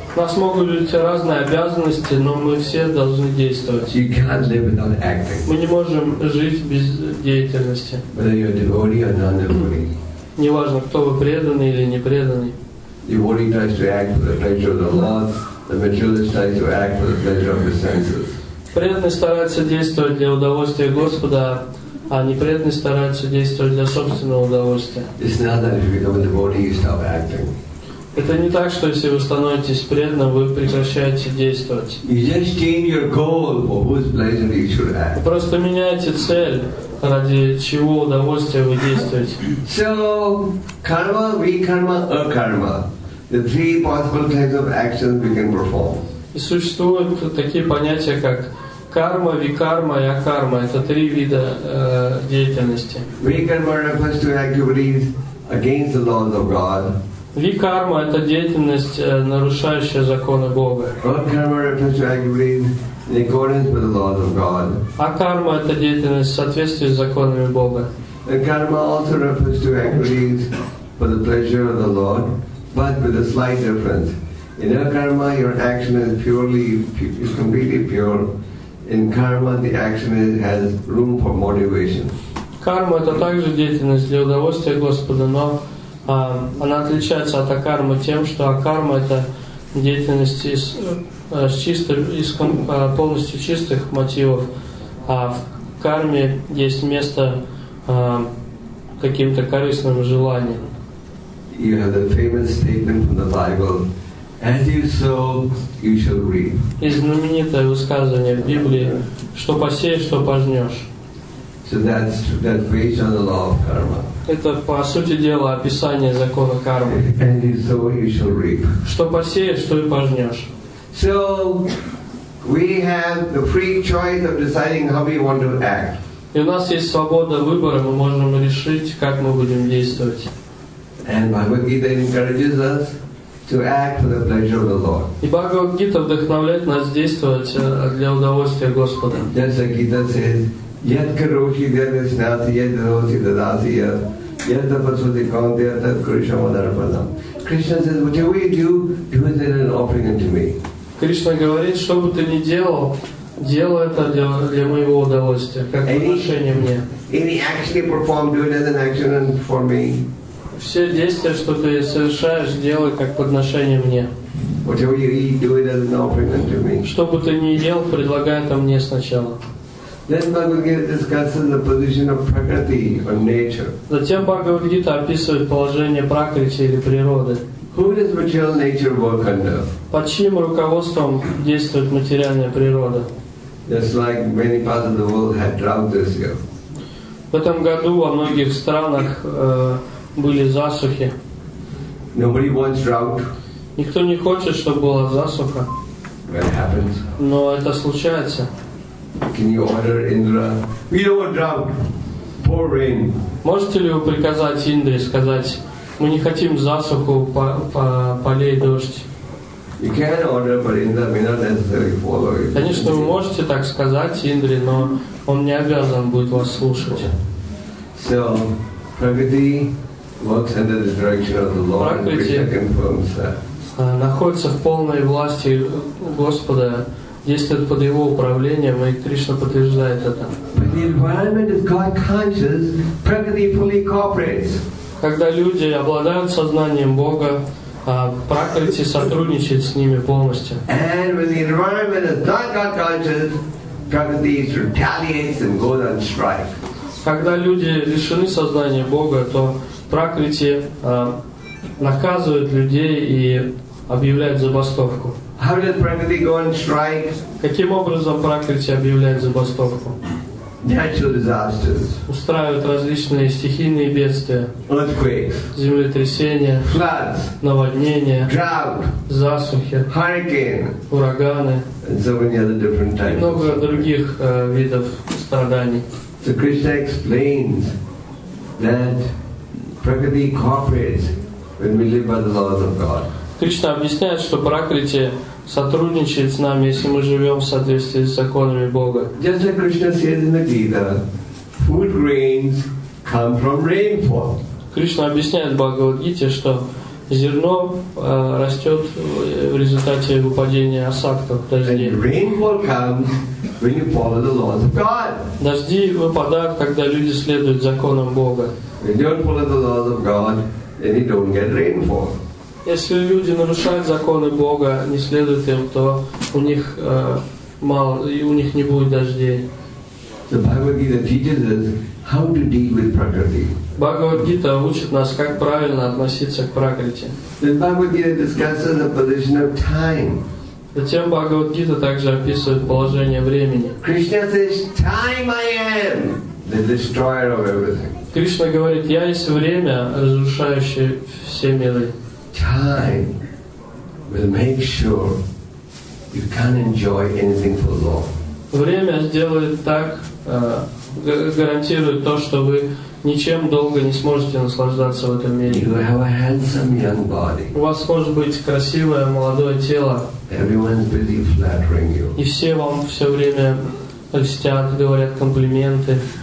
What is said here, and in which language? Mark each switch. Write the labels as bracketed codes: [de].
[ru] У нас могут быть разные обязанности, но мы все должны действовать. [en] You can't live without acting. [ru] Мы не можем жить без деятельности. [en] Whether you're devotee or non-devotee. [ru] Неважно, кто вы, преданный или не преданный. [en] Devotee tries to act for the pleasure of the Lord. The materialist tries to act for the pleasure of the senses. [ru] Преданный старается действовать для удовольствия Господа, а непреданный старается действовать для собственного удовольствия. [en] It's not that if you become a devotee, you stop acting. [ru] Это не так, что если вы становитесь преданным, вы прекращаете действовать. [en] You just change your goal for whose pleasure you should act. [ru] Просто меняете цель. Ради чего удовольствия вы действуете? [en] So, karma, vikarma, akarma, the three possible types of actions we can perform. [ru] И существуют такие понятия как карма, викарма и акарма. Это три вида деятельности. [en] Vikarma refers to activities against the laws of God. [ru] Викарма это деятельность нарушающая законы Бога. [en] Akarma refers to activities in accordance with the laws of God. [ru] А карма — это деятельность в соответствии с законами Бога. [en] And karma also refers to activities for the pleasure of the Lord, but with a slight difference. In a karma, your action is purely, is completely pure. In karma, the action has room for motivation. [ru] Карма — это также деятельность для удовольствия Господа, но она отличается от акармы тем, что акарма — это деятельность из с чистым, из полностью чистых мотивов, а в карме есть место каким-то корыстным желаниям. [en] You have the famous statement from the Bible: "As you sow, you shall reap." [ru] И знаменитое высказывание в Библии: "Что посеешь, то пожнешь." [en] So that's based on the law of karma. [ru] Это по сути дела описание закона кармы. [en] "As you sow, you shall reap." [ru] Что посеешь, то и пожнешь. [en] So we have the free choice of deciding how we want to act. [ru] И у нас есть свобода выбора, мы можем решить, как мы будем действовать. [en] And Bhagavad-gita encourages us to act for the pleasure of the Lord. [ru] И Бхагавад-гита вдохновляет нас действовать для удовольствия Господа. [en] Just like Gita says, [sa] "Yat karoshi dharasnati, yat dharasi dharasi yat, yat tapasuti kaunti yat tat krishna madharapadam." [en] Krishna says, "Whatever you do, do it as an offering unto me." [ru] Кришна говорит, что бы ты ни делал, делай это для моего удовольствия, как подношение мне. [en] Any action you perform, do it as an action and for me. [ru] Все действия, что ты совершаешь, делай как подношение мне. [en] Whatever you eat, do it as an offering unto me. [ru] Что бы ты ни ел, предлагай это мне сначала. [en] Then Bhagavad-gita discusses the position of prakriti or nature. [ru] Затем Бхагавад-гита описывает положение пракрити или природы. [en] Who does material nature work under? [ru] Под чьим руководством действует материальная природа? [en] Just like many parts of the world had drought this year. [ru] В этом году во многих странах были засухи. [en] Nobody wants drought. [ru] Никто не хочет, чтобы была засуха. [en] That happens. [ru] Но это случается. [en] Can you order Indra? We don't want drought. Pour rain. [ru] Можете ли вы приказать Индре сказать? Мы не хотим засуху, полей, дождь. [en] You can order, but Indra may not necessarily follow it. [ru] Конечно, вы можете так сказать, Индре, но он не обязан будет вас слушать. [en] So, Prakriti works under the direction of the Lord, which I confirm, sir. [ru] Находится в полной власти Господа, действует под его управлением, и Кришна подтверждает это. [en] When the environment is God-conscious, Prakriti fully cooperates. [ru] Когда люди обладают сознанием Бога, Пракрити сотрудничает с ними полностью. [en] And when the environment is not God-conscious, Prakriti retaliates and goes on strike. [ru] Когда люди лишены сознания Бога, то Пракрити наказывает людей и объявляет забастовку. [en] How does Prakriti go on strike? [ru] Каким образом Пракрити объявляет забастовку? [en] Natural disasters. [ru] Устраивают различные стихийные бедствия. [en] Earthquakes. [ru] Землетрясения. [en] Floods. [ru] Наводнения. [en] Drought. [ru] Засухи. [en] Hurricane. [ru] Ураганы. [en] And so many other different types. [ru] И много других видов страданий. [en] So Krishna explains that Prakriti cooperates when we live by the laws of God. [ru] Кришна объясняет, что Пракрити сотрудничает с нами, если мы живем в соответствии с законами Бога. [en] Just like Krishna says in the Gita, food grains come from rainfall. [ru] Кришна объясняет в Бхагавад-гите, что зерно растет в результате выпадения осадков, дождей. [en] And rainfall comes when you follow the laws of God. [ru] Дожди выпадают, когда люди следуют законам Бога. [en] When you don't follow the laws of God, then you don't get rainfall. [ru] Если люди нарушают законы Бога, не следуют им, то у них мало, и у них не будет дождей. [en] The Bhagavad Gita teaches us how to deal with Prakriti. [ru] Bhagavad Gita учит нас, как правильно относиться к Пракрити. [en] The Bhagavad Gita discusses the position of time. [ru] Затем Bhagavad Gita также описывает положение времени. [en] Krishna says, "Time I am, the destroyer of everything." [ru] Кришна говорит, я есть время, разрушающее все миры. [en] Time will make sure you can't enjoy anything for long. [ru] Время сделает так, гарантирует то, что вы ничем долго не сможете наслаждаться в этом мире. [en] You have a handsome young body. [ru] У вас может быть красивое молодое тело. [en] Everyone's busy flattering you. [ru] И все вам все время льстят, говорят комплименты.